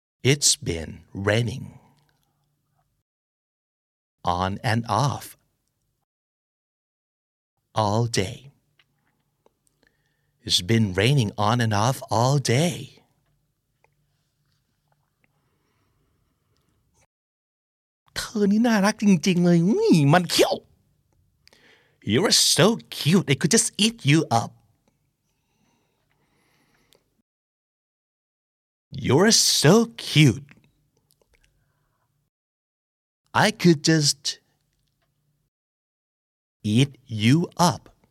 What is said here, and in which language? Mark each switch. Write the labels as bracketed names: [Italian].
[English] It's been raining on and off all day. It's been raining on and off all day. [Thai] เธอนี่น่ารักจริงๆเลยนี่มันเขี้ยว [English] You're so cute, it could just eat you up. You're so cute. I could just eat you up.